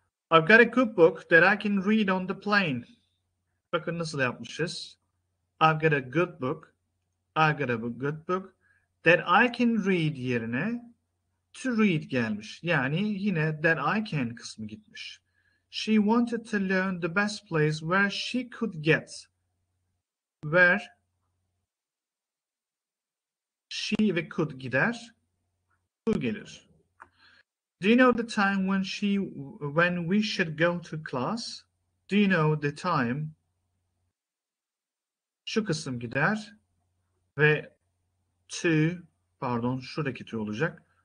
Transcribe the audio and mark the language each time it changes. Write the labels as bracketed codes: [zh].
[en] I've got a cookbook that I can read on the plane. [tr] Bakın nasıl yapmışız. [en] I've got a good book. I've got a good book that I can read [tr] yerine [en] to read [tr] gelmiş. Yani yine [en] that I can [tr] kısmı gitmiş. [en] She wanted to learn the best place where she could get. Where she [tr] ve [en] could [tr] gider. [en] To [tr] gelir. [en] Do you know the time when we should go to class? Do you know the time? [tr] Şu kısım gider ve [en] to, [tr] pardon, şuradaki to olacak.